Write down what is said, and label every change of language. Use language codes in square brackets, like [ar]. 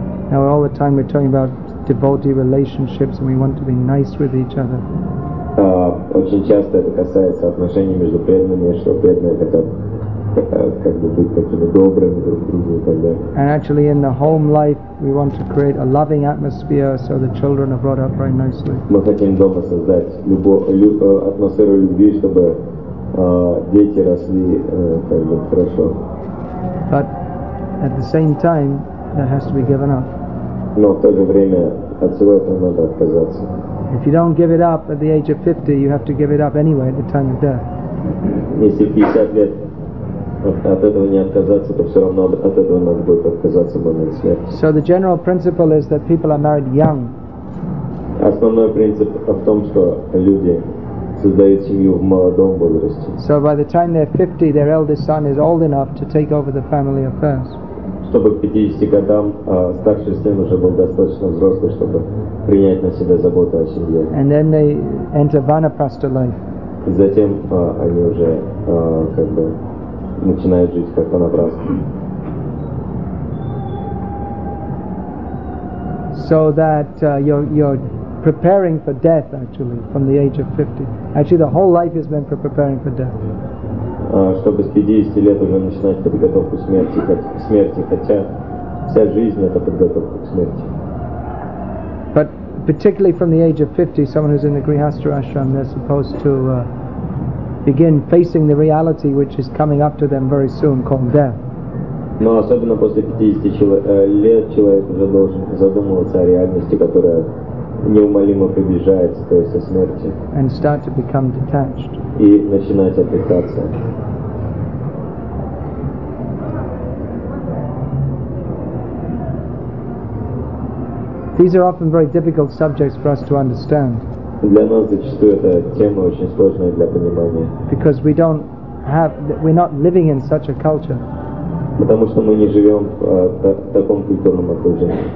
[en] Now all the time we're talking about devotee relationships and we want to be nice with each other. [ru] Очень часто это касается отношений между преданными, что преданные хотят как бы быть такими добрыми друг к другу и так далее. [en] And actually in the home life we want to create a loving atmosphere so the children are brought up very nicely. [ru] Мы хотим дома создать атмосферу любви, чтобы дети росли как бы хорошо. [en] But at the same time, that has to be given up. [ru] Но в то же время от всего этого надо отказаться. [en] If you don't give it up at the age of 50, you have to give it up anyway at the time of death. [ru] Если 50 лет от этого не отказаться, то все равно от этого надо будет отказаться в момент смерти. [en] So the general principle is that people are married young. [ru] Основной принцип в том, что люди создают семью в молодом возрасте. [en] So by the time they're 50, their eldest son is old enough to take over the family affairs. [ru] Чтобы к 50 годам старший сын уже был достаточно взрослый, чтобы принять на себя заботу о семье. [en] And then they enter vanaprastha life. [ru] И затем они уже как бы начинают жить как ванапрастха. [en] So that you're preparing for death, actually, from the age of 50. Actually, the whole life has been for preparing for death. [ru] Чтобы с 50 лет уже начинать подготовку смерти, хотя вся жизнь это подготовка к смерти. [en] But particularly from the age of 50, someone who's in the Grihastha Ashram, they're supposed to begin facing the reality which is coming up to them very soon, called death. [ru] Но особенно после 50 лет человек уже должен задумываться о реальности, которая неумолимо приближается, то есть о смерти. [en] And start to become detached. [ru] И начинать отрекаться. [en] These are often very difficult subjects for us to understand. [ru] Для нас зачастую эта тема очень сложная для понимания. [en] Because we don't have, we're not living in such a culture. [ru] Потому что мы не живем в таком культурном окружении.